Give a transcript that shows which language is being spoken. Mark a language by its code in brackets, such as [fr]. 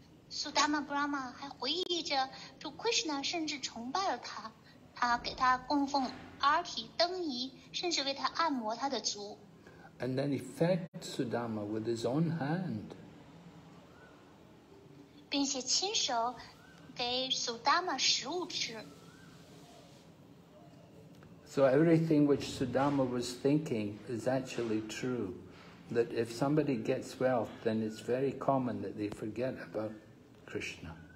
[zh] Sudama Brahma 还回忆着, Krishna 甚至崇拜了他, 他给他供奉 arti, 灯仪, 甚至为他按摩他的足。 [en] And then he fed Sudama with his own hand. [zh] 并且亲手给苏达玛食物吃。 [en] So everything which Sudama was thinking is actually true, that if somebody gets wealth, then it's very common that they forget about Krishna.